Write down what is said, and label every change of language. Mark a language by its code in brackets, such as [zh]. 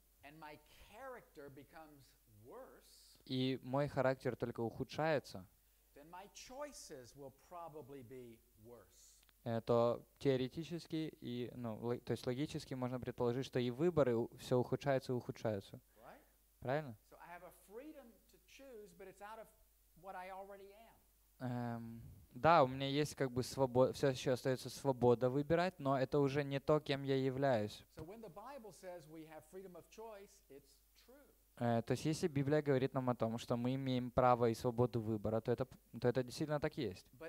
[en] and my character becomes worse, [ru] и мой характер только ухудшается, [en] then my choices will probably be worse. [ru] Это теоретически и, ну, то есть логически можно предположить, что и выборы все ухудшаются и ухудшаются. [en] Right? [ru] Правильно? [en] So I have a freedom to choose, but it's out of what I already am. [ru] Да, у меня есть как бы свобода, все еще остается свобода выбирать, но это уже не то, кем я являюсь. [en] So choice, [ru] то есть если Библия говорит нам о том, что мы имеем право и свободу выбора, то это действительно так есть.